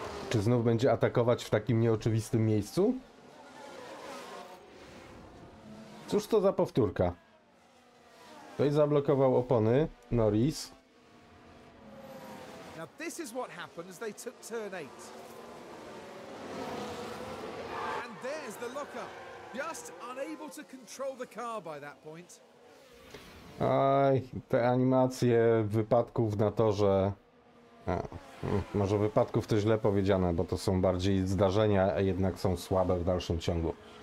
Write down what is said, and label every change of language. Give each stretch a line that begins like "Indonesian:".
Polish: Czy znów będzie atakować w takim nieoczywistym miejscu? Cóż to za powtórka? Tutaj zablokował opony Norris.
English: Now this is what happened as they took turn 8. And there's the lockup. Just unable to control the car by that point.
Polish: Aj, te animacje wypadków na torze. A, może wypadków to źle powiedziane, bo to są bardziej zdarzenia, a jednak są słabe w dalszym ciągu.